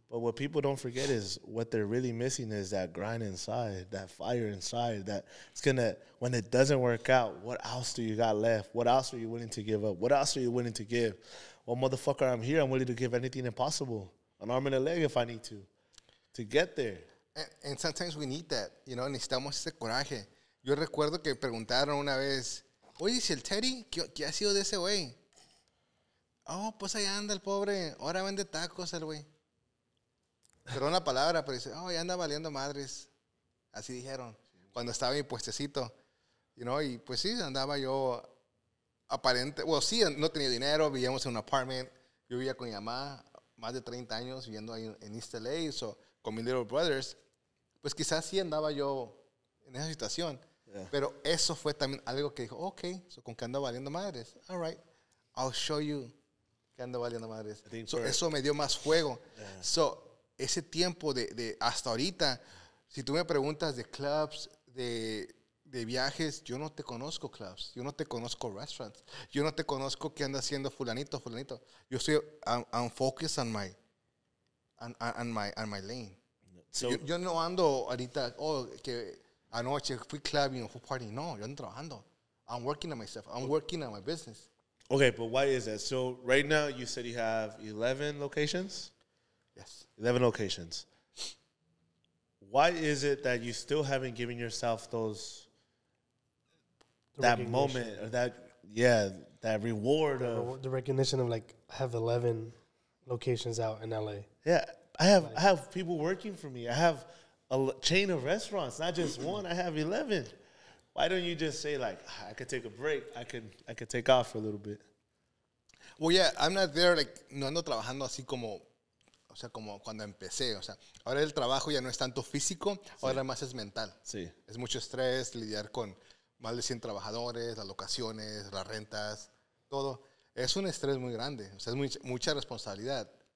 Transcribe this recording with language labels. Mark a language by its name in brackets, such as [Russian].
[English] But what people don't forget is what they're really missing is that grind inside, that fire inside, that it's going to, when it doesn't work out, what else do you got left? What else are you willing to give up? What else are you willing to give? Well, motherfucker, I'm here. I'm willing to give anything impossible, an arm and a leg if I need to get there. And sometimes we need that, you know, [Spanish] necesitamos ese coraje. Yo recuerdo que preguntaron una vez, oye, si el Teddy, ¿qué ha sido de ese güey? Oh, pues ahí anda el pobre, ahora vende tacos el güey. Perdón la palabra, pero dice, oh, ya anda valiendo madres. Así dijeron, sí, cuando estaba en mi puestecito, you know, y pues sí, andaba yo. Aparente, bueno, well, sí, no tenía dinero, vivíamos en un apartment. Yo vivía con mi mamá, más de 30 años, viviendo ahí en East LA, so, con mis [English] little brothers. [Spanish] Pues quizás sí andaba yo en esa situación. Yeah. Pero eso fue también algo que dijo, ok, so, ¿con qué ando valiendo madres? [English] All right, I'll show you [Spanish] qué ando valiendo madres. So, eso me dio más fuego. Yeah. So, ese tiempo de hasta ahorita, si tú me preguntas de clubs, de... de viajes, yo no te conozco clubs, yo no te conozco restaurants, yo no te conozco qué anda haciendo fulanito, fulanito. Yo estoy, [English] I'm focused on my, on my lane. [Spanish] So, yo no ando ahorita, oh, que anoche fui clubbing, fui party. No, yo ando trabajando. [English] I'm working on myself. I'm working on my business. Okay, but why is that? So right now you said you have 11 locations? Yes. 11 locations. Why is it that you still haven't given yourself those, that moment or that, yeah, that reward of the recognition of like, I have 11 locations out in LA. Yeah. I have, like, I have people working for me. I have a chain of restaurants, not just one. I have 11. Why don't you just say like, I could take a break. I could take off for a little bit. Well, yeah, I'm not there. [Spanish] Like, no ando trabajando así como, o sea, como cuando empecé, o sea, ahora el trabajo ya no es tanto físico, sí. Ahora más es mental. Sí. Es mucho estrés lidiar con más de 100 trabajadores, las locaciones, las rentas, todo. Es un estrés muy grande, o sea, es mucha responsabilidad.